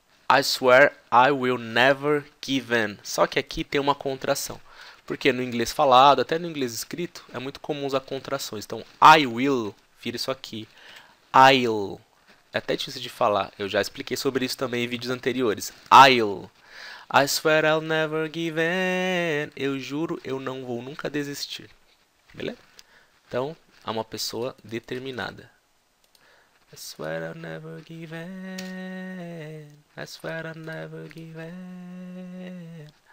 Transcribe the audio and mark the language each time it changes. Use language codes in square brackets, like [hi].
[en] I swear I will never give in. [pt] Só que aqui tem uma contração. Porque no inglês falado, até no inglês escrito, é muito comum usar contrações. Então, [en] I will, [pt] vira isso aqui. I'll. É até difícil de falar. Eu já expliquei sobre isso também em vídeos anteriores. [en] I'll. I swear I'll never give in. [pt] Eu juro, eu não vou nunca desistir. Beleza? Então, há uma pessoa determinada. [en] I swear I'll never give in. I swear I'll never give in.